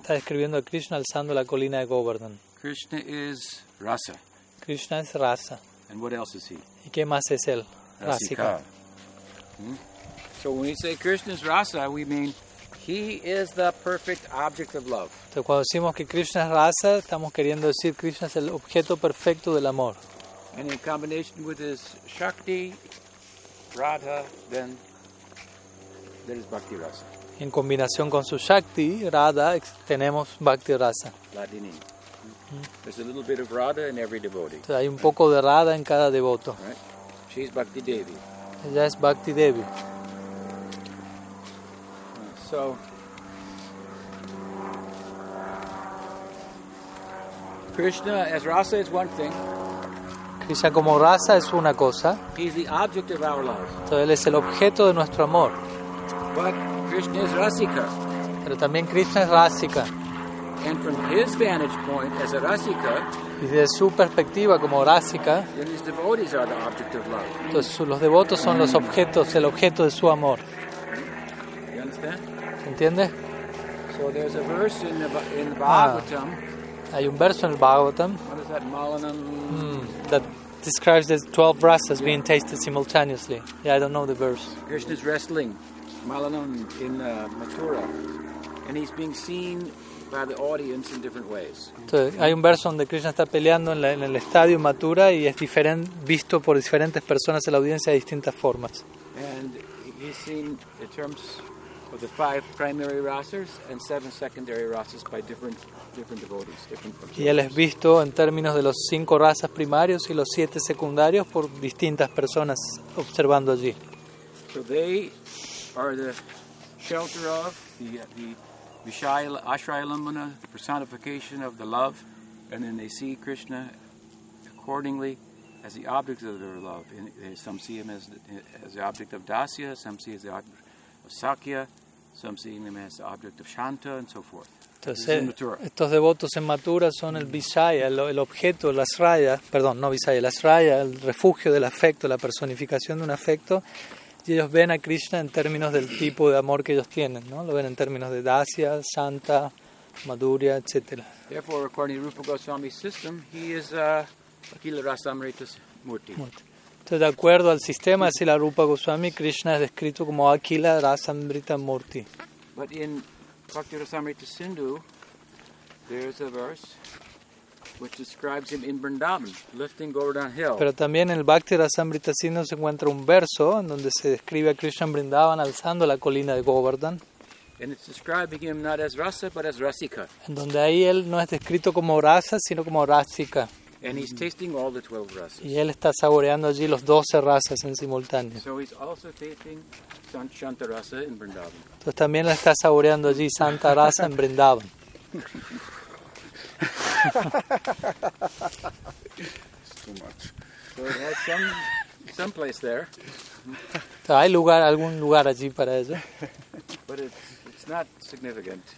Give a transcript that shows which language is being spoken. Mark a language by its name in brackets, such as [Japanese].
[Spanish] Está describiendo a Krishna alzando la colina de Govardhan. [English] Krishna is rasa. [Spanish] Krishna es rasa. [English] And what else is he? [Spanish] ¿Y qué más es él? Rasika. [English] So when we say Krishna is rasa, we mean he is the perfect object of love. [Spanish] Entonces, cuando decimos que Krishna es rasa, estamos queriendo decir Krishna es el objeto perfecto del amor. [English] And in combination with his shakti, radha, then there is bhakti rasa. [Spanish] En combinación con su shakti, radha, tenemos bhakti rasa. [English] Ladini. There's a little bit of radha in every devotee. [Spanish] Entonces, hay un poco de radha en cada devoto. [English] Right. She's bhakti devi. [Spanish] Ella es bhakti devi. [English] So, Krishna as rasa is one thing. [Spanish] Krishna como rasa es una cosa. [English] He is the object of our love. [Spanish] Entonces, él es el objeto de nuestro amor. [English] But Krishna is rasika. [Spanish] Pero también Krishna es rasika. [English] And from his vantage point as a rasika. [Spanish] Y desde su perspectiva como rasika. [English] Then his devotees are the object of love. [Spanish] Entonces, los devotos son los objetos, el objeto de su amor. [English] You understand? [Spanish] ¿Entiende? [English] So there's a verse in the Bhagavatam. [Spanish] Hay un verso en el Bhagavatam. [English] What is that, Malanam? That describes the 12 rasas being tasted simultaneously. Yeah, I don't know the verse. Krishna's wrestling, Malanam, in Mathura. And he's being seen by the audience in different ways. [Spanish] Entonces, hay un verso donde Krishna está peleando en el estadio Mathura y es visto por diferentes personas en la audiencia de distintas formas. [English] And he's seen in terms of the five primary rasas and seven secondary rasas by different devotees, different persons. [Spanish] Y él es visto en términos de los cinco rasas primarios y los siete secundarios por distintas personas observando allí. [English] So they are the shelter of the Vishaya Ashrayalambana, the personification of the love, and then they see Krishna accordingly as the object of their love. Some see him as the object of dasya, some see him as the object of sakya, some see him as the object of shanta, and so forth. [Spanish] Estos devotos en Mathura son el Vishaya, el objeto, la Asraya, perdón, no Vishaya, la Asraya, el refugio del afecto, la personificación de un afecto, y ellos ven a Krishna en términos del tipo de amor que ellos tienen, ¿no? Lo ven en términos de Dasya, Santa, Madhurya, etc. [English] Therefore, according to Rupa Goswami's system, he is Akila Rasamrita Murti. [Spanish] Entonces, de acuerdo al sistema de Sila Rupa Goswami, Krishna es descrito como Akila Rasamrita Murti. [English] But in Bhakti Rasamrita Sindhu, there's a verse which describes him in Vrindavan, lifting Govardhan Hill. [Spanish] Pero también en el Bhakti Rasamrita Sindhu se encuentra un verso en donde se describe a Krishna en Vrindavan alzando la colina de Govardhan. [English] And it's describing him not as rasa, but as rasika. [Spanish] En donde ahí él no es descrito como rasa, sino como rasika. [English] And he's tasting all the 12 rasas. [Spanish] Y él está saboreando allí los 12 rasas en simultáneo. [English] So he's also tasting Santa-rasa in Vrindavan. [Spanish] Entonces también la está saboreando allí Santa-rasa en Vrindavan. [English] It's too much. So it has some place there. [Spanish] Hay lugar, algún lugar allí para eso. [English] But it's not significant.